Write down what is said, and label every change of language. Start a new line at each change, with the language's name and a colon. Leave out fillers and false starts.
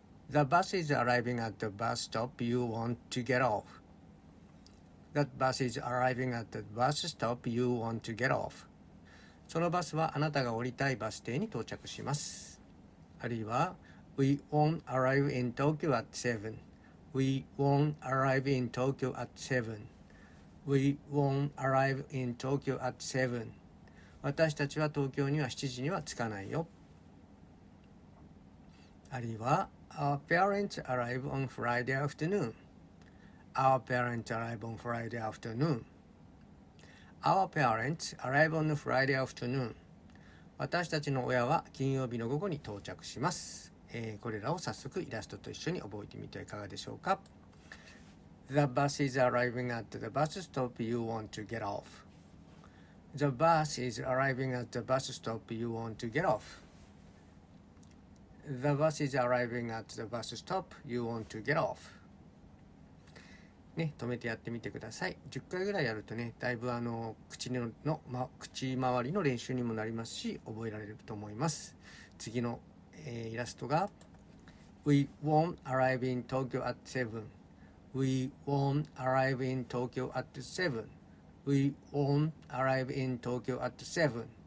English: The bus is arriving at the bus stop you want to get off. That bus is arriving at the bus stop you want to get off.
Japanese: そのバスはあなたが降りたいバス停に到着します。あるいは
English: We won't arrive in Tokyo at 7. We won't arrive in Tokyo at 7. We won't arrive in Tokyo at 7.
Japanese: 私たちは東京には7時には着かないよ。あるいは
English: Our parents arrive on Friday afternoon. Our parents arrive on Friday afternoon. Our parents arrive on Friday afternoon.
Japanese: 私たちの親は金曜日の午後に到着します、これらを早速イラストと一緒に覚えてみてはいかがでしょうか。
English: The bus is arriving at the bus stop you want to get off. The bus is arriving at the bus stop you want to get off. The bus is arriving at the bus stop you want to get off.
Japanese: ね、止めてやってみてください。10回ぐらいやるとね、だいぶ口周りの練習にもなりますし、覚えられると思います。次の、イラストが
English: We won't arrive in Tokyo at 7. We won't arrive in Tokyo at 7. We won't arrive in Tokyo at 7.